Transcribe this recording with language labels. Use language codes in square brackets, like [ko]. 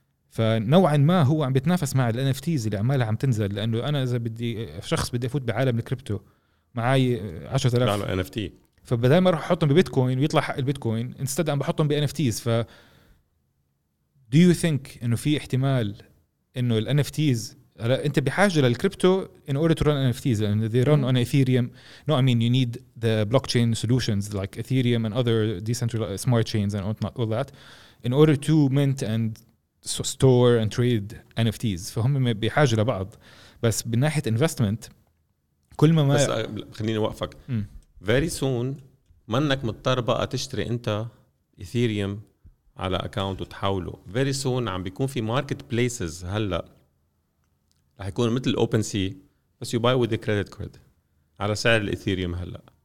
[ar] فنوعا ما هو عم بيتنافس مع الـ NFTs اللي عمالها عم تنزل، لأنه أنا إذا بدي شخص بدي أفوت بعالم الكريبتو معاي 10,000 على NFT، فبدل ما راح أحطهم ببيتكوين ويطلع حق البيتكوين instead عم بحطهم بـ NFTs. [en] ف do you think [ar] إنه في احتمال إنه الـ NFTs، أنت بحاجة للكريبتو [en] in order to run NFTs and they run on Ethereum. No, I mean you need the blockchain solutions like Ethereum and other decentralized smart chains and all that in order to mint and store and trade NFTs. [ar] فهم بحاجة لبعض، بس بالناحية investment كل ما بس خليني وقفك. [en] Very soon [ar] منك مضطر بقى تشتري أنت Ethereum على account وتحوله. [en] Very soon [ar] عم بيكون في marketplaces هلأ رح يكون مثل الاوبن سي، بس [en] you buy with credit card [ar] على سعر الايثيريوم هلا.